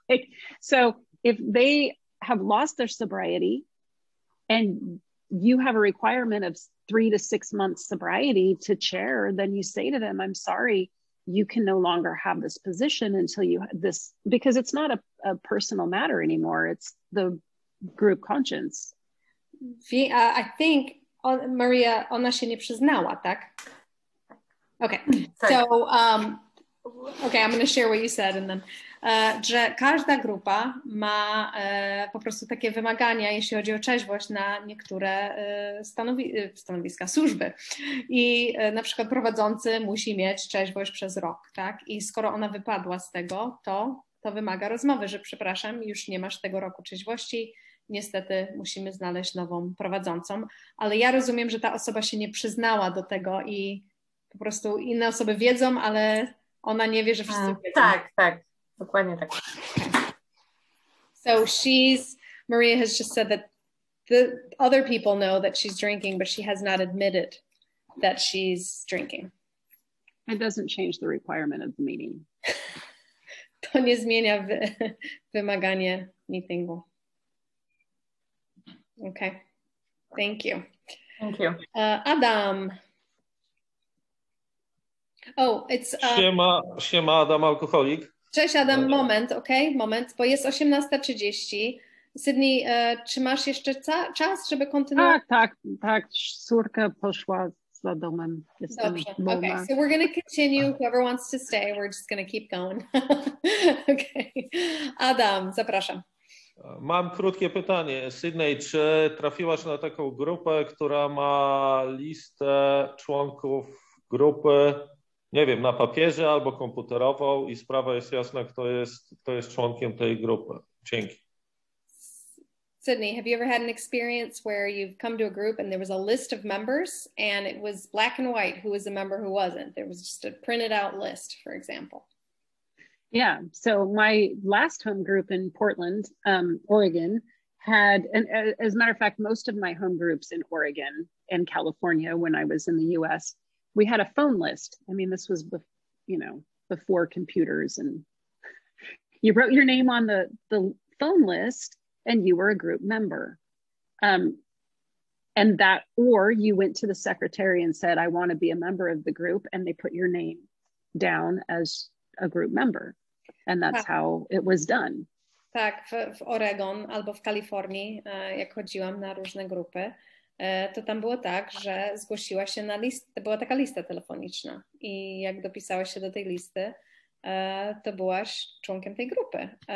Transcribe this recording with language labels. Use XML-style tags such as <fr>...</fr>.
<en>Like, so if they have lost their sobriety and you have a requirement of 3 to 6 months sobriety to chair, then you say to them, I'm sorry, you can no longer have this position until you have this, because it's not a personal matter anymore. It's the group conscience. I think</en> <pl>Maria, ona się nie przyznała, tak?</pl> <en>Okay. So, okay, I'm going to share what you said and then.</en> <pl>Że każda grupa ma po prostu takie wymagania, jeśli chodzi o trzeźwość na niektóre stanowiska, służby. I na przykład prowadzący musi mieć trzeźwość przez rok, tak? I skoro ona wypadła z tego, to wymaga rozmowy, że przepraszam, już nie masz tego roku trzeźwości, niestety musimy znaleźć nową prowadzącą. Ale ja rozumiem, że ta osoba się nie przyznała do tego i po prostu inne osoby wiedzą, ale ona nie wie, że wszyscy wiedzą. Tak, tak. Dokładnie tak.</pl> <en>So Maria has just said that the other people know that she's drinking, but she has not admitted that she's drinking. It doesn't change the requirement of the meeting.</en> <pl>To nie zmienia wymagania meetingu.</pl> <en>Okay. Thank you. Thank you. Adam. Oh, it's...</en> <pl>Siema, Adam, alkoholik. Cześć Adam, moment, okej, okay, moment, bo jest 18:30. Sydney, czy masz jeszcze czas, żeby kontynuować? Tak, córka poszła za domem. Jestem</pl> <en>okay, so we're going to continue. Whoever wants to stay, we're just going to keep going.</en> <pl>Okay. Adam, zapraszam. Mam krótkie pytanie. Sydney, czy trafiłaś na taką grupę, która ma listę członków grupy, nie wiem, na papierze albo komputerową i sprawa jest jasna, kto jest członkiem tej grupy. Dzięki.</pl> <en>Sydney, have you ever had an experience where you've come to a group and there was a list of members and it was black and white, who was a member, who wasn't? There was just a printed out list, for example. Yeah, so my last home group in Portland, Oregon, had, as a matter of fact, most of my home groups in Oregon and California when I was in the U.S., we had a phone list. I mean, this was, before computers, and you wrote your name on the phone list and you were a group member. And that, or you went to the secretary and said, I want to be a member of the group. And they put your name down as a group member. And that's</en> <pl>tak.</pl> <en>How it was done.</en> <pl>Tak, w Oregon albo w Kalifornii, jak chodziłam na różne grupy, to tam było tak, że zgłosiła się na listę, była taka lista telefoniczna i jak dopisałaś się do tej listy, to byłaś członkiem tej grupy.</pl>